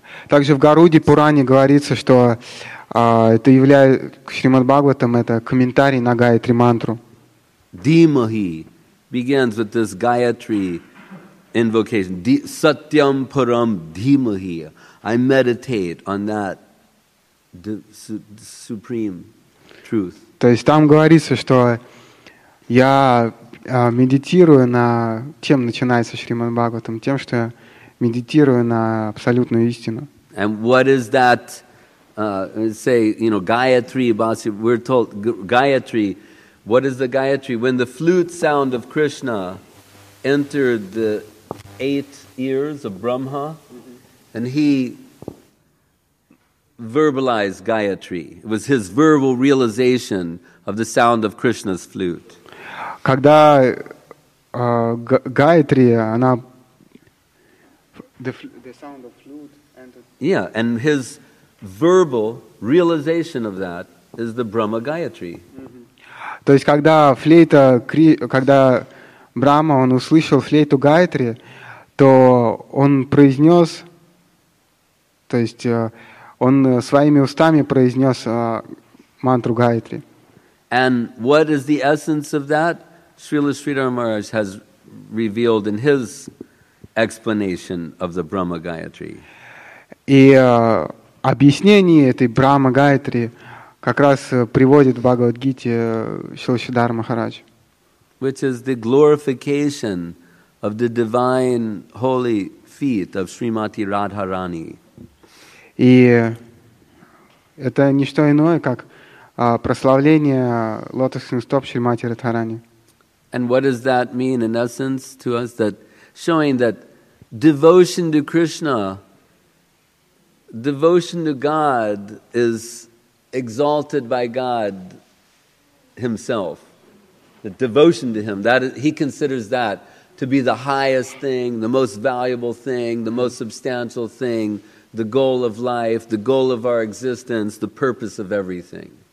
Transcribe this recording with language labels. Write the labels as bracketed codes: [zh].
[ru] Также в Гаруде Пуране говорится, что это является Шримад Бхагаватам, это комментарий на Гаятри мантру. [en] Dhimahi begins with this Gayatri invocation. [sa] Satyam param dhimahi. [en] I meditate on that supreme truth. [ru] То есть там говорится, что я медитирую на чем начинается Шримад Бхагаватам, тем, что медитирую на абсолютную истину. [en] And what is that? Say, you know, Gayatri, Basi, we're told, Gayatri, what is the Gayatri? When the flute sound of Krishna entered the eight ears of Brahma, and he verbalized Gayatri. It was his verbal realization of the sound of Krishna's flute. [ru] Когда Гаятри, она... [en] The sound of flute entered... Yeah, and his verbal realization of that is the Brahma Gayatri. [ru] То есть когда флейта, когда Брахма, он услышал флейту Гаятри, то он произнес, то есть он своими устами произнес мантру Гаятри. [en] And what is the essence of that? Srila Sridhar Maharaj has revealed in his explanation of the Brahma Gayatri. [ru] И объяснение этой Брахма Гаятри как раз приводит в Бхагавад-гите Шрила Сридхара Махарадж. [en] Which is the glorification of the divine holy feet of Srimati Radharani. [ru] И это не что иное, как прославление лотосных стоп Шримати Радхарани. [en] And what does that mean in essence to us? That showing that devotion to Krishna, devotion to God is exalted by God Himself. The devotion to Him, that is, He considers that to be the highest thing, the most valuable thing, the most substantial thing, the goal of life, the goal of our existence, the purpose of everything.